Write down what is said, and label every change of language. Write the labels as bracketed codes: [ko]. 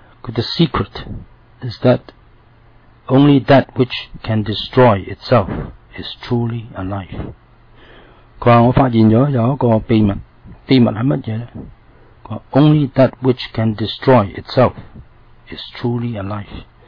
[en] The secret is that only that which can destroy itself is truly alive. [zh] 他说我发现了有一个秘密，秘密是什么呢？ [en] Only that which can destroy itself is truly alive.